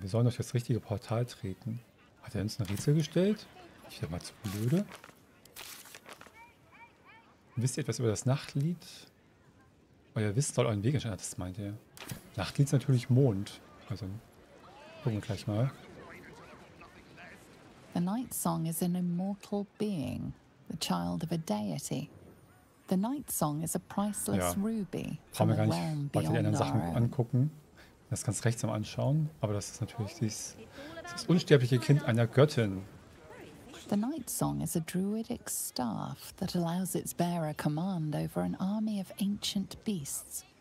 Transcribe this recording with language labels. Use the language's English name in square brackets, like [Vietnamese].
[German] Wir sollen durch das richtige Portal treten. Hat er uns ein Rätsel gestellt? Ich bin mal zu blöde. Wisst ihr etwas über das Nachtlied? Euer Wissen soll euren Weg entscheiden. Das meint er. Nachtlied ist natürlich Mond. Also gucken wir gleich mal. [English] The Night Song is an immortal being, the child of a deity. The Night Song is a priceless ruby. [German] Brauchen wir gar nicht weiter die anderen Sachen angucken. Das ganz rechts am Anschauen. Aber das ist natürlich das unsterbliche Kind einer Göttin. [English] The Night Song is a druidic staff that allows its bearer command over an army of ancient beasts.